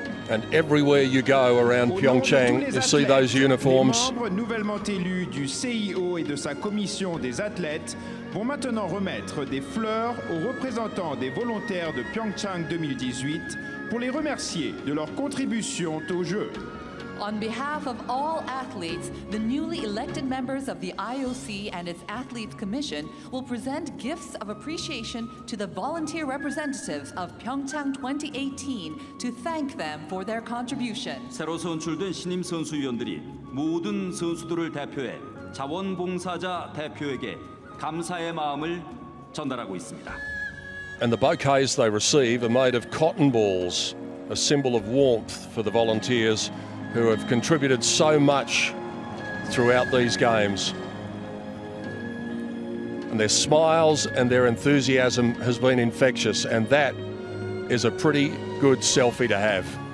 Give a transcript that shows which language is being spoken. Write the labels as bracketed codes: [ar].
[en] And everywhere you go around Pyeongchang, you see those uniforms. [fr] Les membres nouvellement élus du CIO et de sa commission des athlètes vont maintenant remettre des fleurs aux représentants des volontaires de Pyeongchang 2018 pour les remercier de leur contribution aux Jeux. [en] On behalf of all athletes, the newly elected members of the IOC and its athletes commission will present gifts of appreciation to the volunteer representatives of Pyeongchang 2018 to thank them for their contribution. [ko] 새로 선출된 신임 선수위원들이 모든 선수들을 대표해 자원봉사자 대표에게 감사의 마음을 전달하고 있습니다. [en] And the bouquets they receive are made of cotton balls, a symbol of warmth for the volunteers who have contributed so much throughout these games. And their smiles and their enthusiasm has been infectious, and that is a pretty good selfie to have.